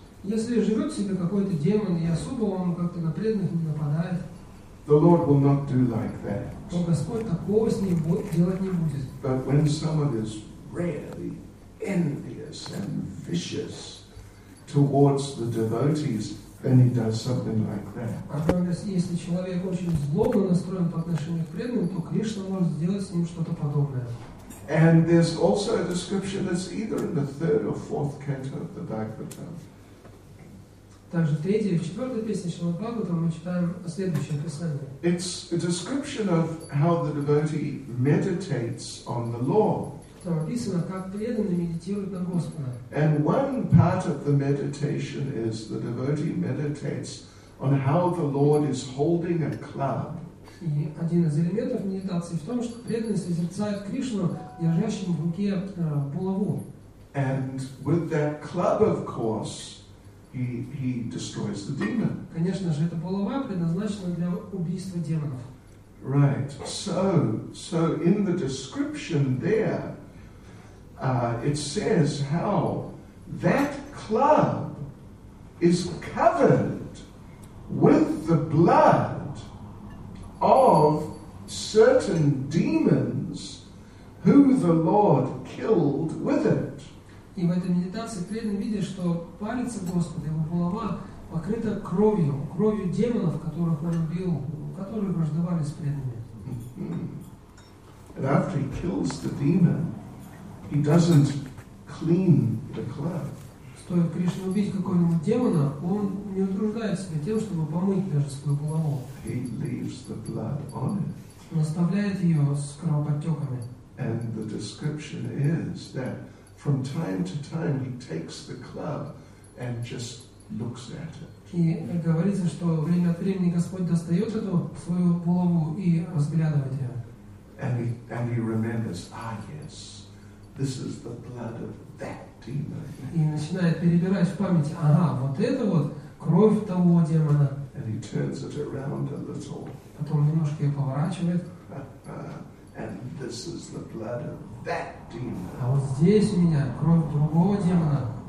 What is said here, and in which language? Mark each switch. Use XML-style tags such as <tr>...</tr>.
<ru>если живет себе какой-то демон и особо он как-то на преданных не нападает,</ru> <en>the Lord will not do like that.</en> <ru>То Господь такого с ним делать не будет.</ru> <en>But when someone is really envious and vicious towards the devotees, then he does something like that.</en> <ru>Если человек очень злобно настроен по отношению к преданным, то Кришна может сделать с ним что-то подобное.</ru> <en>And there's also a description that's either in the third or fourth canto of the Bhagavatam.</en> <ru>Также в третьей и в четвертой песне Шримад-Бхагаватам мы читаем следующее описание.</ru> <en>It's a description of how the devotee meditates on the Lord.</en> <ru>Там описано, как преданный медитирует на Господа.</ru> <en>And one part of the meditation is the devotee meditates on how the Lord is holding a club.</en> <ru>И один из элементов медитации в том, что преданный созерцает Кришну, держащим в руке булаву.</ru> <en>And with that club, of course, He destroys the demon.</en> <ru>Конечно же, эта булава предназначена для убийства демонов.</ru> <en>Right. So in the description there, it says how that club is covered with the blood of certain demons who the Lord killed with it.</en> <ru>И в этой медитации преданный видит, что палец Господа, его булава, покрыта кровью демонов, которых он убил, которые враждовали с преданными.</ru> <en>And after he kills the demon, he doesn't clean the club.</en> <ru>Стоит Кришне убить какого-нибудь демона, он не утруждает себя тем, чтобы помыть даже свою булаву.</ru> <en>He leaves the blood on it.</en> <ru>Он оставляет ее с кровоподтеками.</ru> <en>And the description is that from time to time, he takes the club and just looks at it.</en> <ru>И говорится, что время от времени Господь достает эту свою булаву и разглядывает ее.</ru> <en>And he remembers, yes, this is the blood of that demon.</en> <ru>И начинает перебирать в памяти, вот это вот кровь того демона.</ru> <en>And he turns it around a little.</en> <ru>Потом немножко ее поворачивает.</ru> <en>And this is the blood of that demon.</en> <ru>А вот здесь у меня кровь другого демона.</ru>